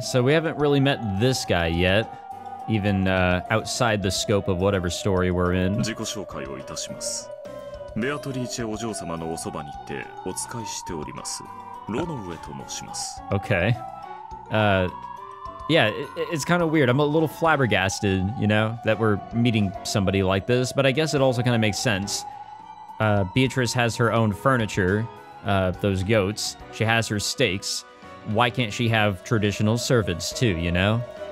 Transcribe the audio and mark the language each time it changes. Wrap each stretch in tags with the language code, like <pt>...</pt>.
<en>So we haven't really met this guy yet, even outside the scope of whatever story we're in.</en> <ja>自己紹介をいたします。ベアトリーチェお嬢様のおそばにてお使いしております。ロノウエと申します。</ja> <en>Okay. Yeah, it's kind of weird. I'm a little flabbergasted, you know, that we're meeting somebody like this, but I guess it also kind of makes sense. Beatrice has her own furniture, those goats. She has her steaks. Why can't she have traditional servants too, you know?</en>